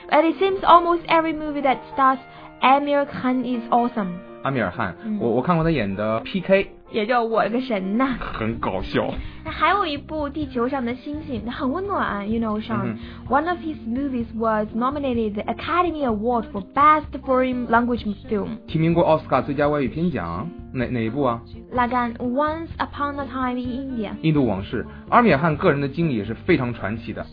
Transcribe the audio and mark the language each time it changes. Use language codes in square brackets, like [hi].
[en] But it seems almost every movie that stars Amir Khan is awesome。 [zh] 阿米尔汗，我看过他演的 PK，也叫我了个神呐，很搞笑。那还有一部《地球上的星星》，很温暖。 [en] You know, Sean,、one of his movies was nominated the Academy Award for Best Foreign Language Film， [zh] 提名过奥斯卡最佳外语片奖。哪一部啊？ [en] 拉甘 Once Upon a Time in India， [zh] 印度往事。阿米尔汗个人的经历也是非常传奇的。